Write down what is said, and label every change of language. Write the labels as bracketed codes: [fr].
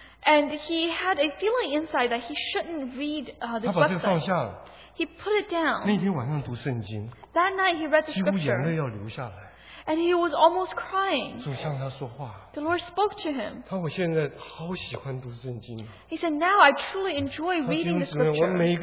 [en] And he had a feeling inside that he shouldn't read this website. [zh] 他把这个放下了。 [en] He put it down. [zh] 那天晚上读圣经。 [en] That night he read the scripture. And he was almost crying. [zh] 主向他说话, [en] the Lord spoke to him. [zh] 他说我现在好喜欢读圣经。 [en] He said, now I truly enjoy reading the scripture.